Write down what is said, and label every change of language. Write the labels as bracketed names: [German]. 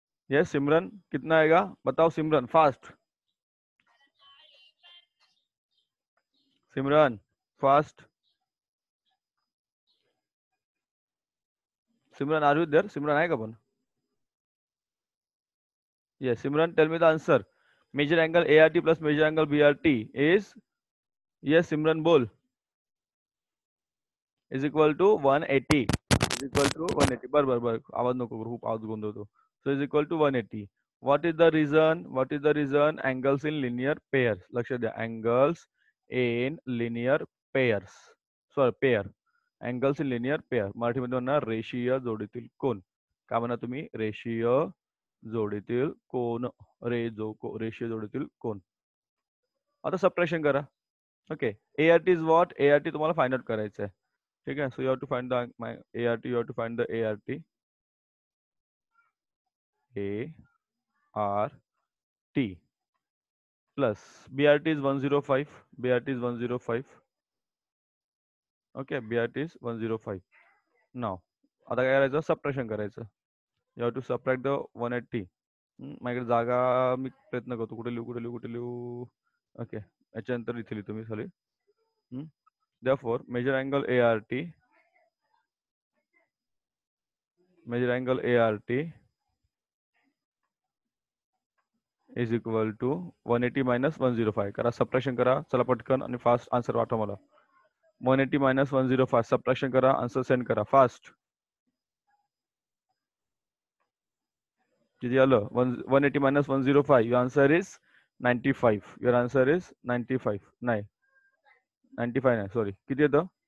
[Hindi] Yes सिमरन, कितना आएगा बताओ सिमरन, fast Simran, fast Simran, [English] Are you there? [Hindi] सिमरन आएगा पण? [English] Yes Simran, tell me the answer. Major angle A R T plus major angle B R T is, yes Simran बोल. Is equal to 180, is equal to 180, [Marathi] बर बर बर आवाज नको करू, खूप आवाज गोंधळ होतो. [English] So is equal to 180. What is the reason, what is the reason angles in linear pair, लक्ष द्या, angles in linear pair, sorry pair, angles in linear pair [Marathi] मराठीमध्ये म्हणणार रेषीय जोडीतील कोण. काय म्हणा तुम्ही? रेषीय जोडीतील कोण, रे जो को, रेषीय जोडीतील कोण. आता सबट्रॅक्शन करा. [English] okay, A R T is what, A R T [Marathi] तुम्हाला फाइंड आउट करायचं आहे. ठीक आहे, [English] So you have to find the my A R T, you have to find the A R T, A R T plus B R T is 105, B R T is 105. Okay, B R T is 105. [Marathi] नाव आता काय करायचं, subtraction करायचं. [English] You have to subtract the 180. [Marathi] माझ्याकडे जागा मी प्रयत्न करतो, कुठे लिहू कुठे लिहू कुठे लिहू. ओके, याच्यानंतर इथे लिहितो मी, sorry. [English] Therefore major angle A R T, major angle A R T is equal to 180 minus 105. [Marathi] करा सबट्रॅक्शन करा, चला पटकन आणि फास्ट आन्सर पाठवा मला. 180 मायनस 105, सबट्रॅक्शन करा, आन्सर सेंड करा फास्ट. [English] किती आलं? 180 minus 105, your answer is 95. Your answer is 95, नाही 95, नाही सॉरी, [Marathi] किती येतं?